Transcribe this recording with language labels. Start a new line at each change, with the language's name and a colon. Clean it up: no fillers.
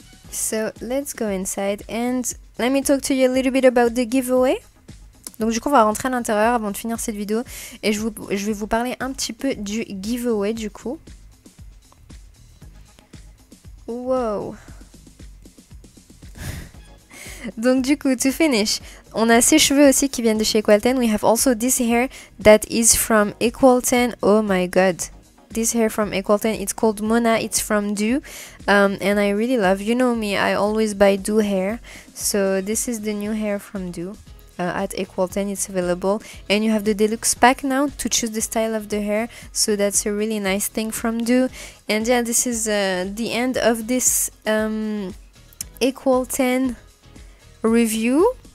English: So let's go inside and let me talk to you a little bit about the giveaway.
French: Donc du coup, on va rentrer à l'intérieur avant de finir cette vidéo et je vais vous parler un petit peu du giveaway du coup. Wow. Donc du coup,
English: to finish,
French: on a ces cheveux aussi qui viennent de chez Equal10.
English: We have also this hair that is from Equal10. Oh my god. This hair from Equal10, it's called Mona, it's from Du, and I really love, you know me, I always buy Du hair, so this is the new hair from Du, at Equal10, it's available, and you have the deluxe pack now to choose the style of the hair, so that's a really nice thing from Du, and yeah, this is the end of this Equal10 review.